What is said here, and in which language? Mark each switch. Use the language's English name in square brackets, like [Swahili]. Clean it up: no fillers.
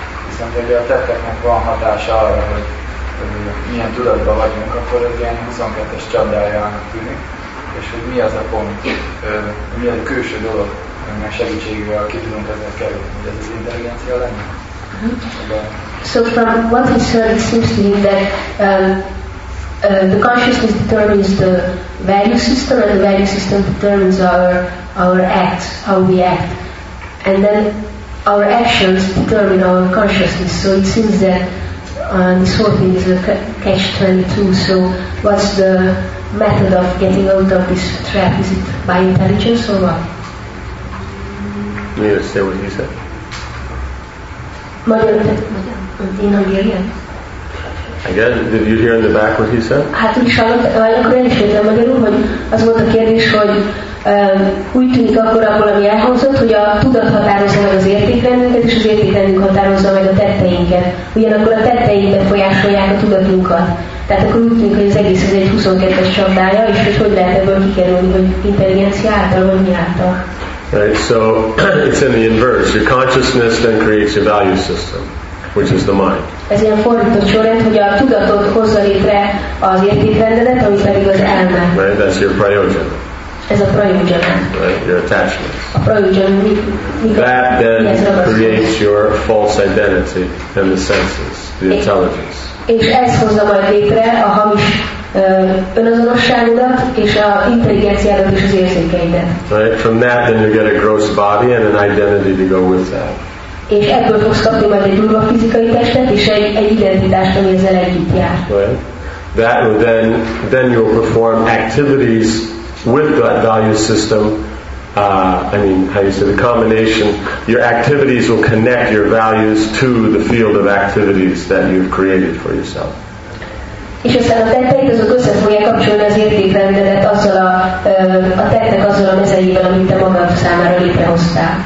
[Hungarian] Viszont hogy a tetteknek van hatása arra, hogy milyen tudatban vagyunk, akkor ez ilyen 22-es csapdájának tűnik, és hogy mi az a pont, mi az a külső dolog, aminek segítségével ki tudunk ezzel kerülni, hogy ez az intelligencia lenne. [English] So from what he said, it seems to me that the consciousness determines the value system, and the value system determines our acts, how we act. And then our actions determine our consciousness. So it seems that this whole thing is a catch-22. So what's the method of getting out of this trap? Is it by intelligence or what? May I say what he said? In Hungarian? Again, did you hear in the back what he said? [Hungarian] Hát úgy sajnálok, én is értem magyarul, hogy az volt a kérdés, hogy úgy tűnik akkor, ahol ami elhangzott, hogy a tudat határozza meg az értékrendünket, és az értékrendünk határozza meg a tetteinket. Ugyanakkor a tetteink befolyásolják a tudatunkat. Tehát akkor úgy tűnik, hogy az egész az egy 22-es csapdája, és hogy lehet ebből kikerülni, hogy intelligencia által, vagy mi által. [English] Right, so it's in the inverse. Your consciousness then creates your value system, which is the mind. [Hungarian] Ez ilyen fordított sorrend, hogy a tudatod hozza létre az értékrendedet, ami pedig az elme. [English] Right, that's your prayojana. [Hungarian] Ez a prayojana. [English] Right, your attachments. [Hungarian] A prayojana. [English] That then creates your false identity and the senses, the intelligence. [Hungarian] És ez hozza majd létre a hamis önazonosságodat és a intelligenciádat és az érzékeidet. [English] Right, from that then you get a gross body and an identity to go with that. [Hungarian] És ebből fogsz kapni majd egy durva fizikai testet és egy identitást, ami ezzel együtt jár. [English] That will then you'll perform activities with that value system. The combination, your activities will connect your values to the field of activities that you've created for yourself. [Hungarian] És aztán a tetteid azok össze fogják kapcsolni az értékrendedet azzal a tettek azzal a mezeivel, amit te magad számára létrehoztál.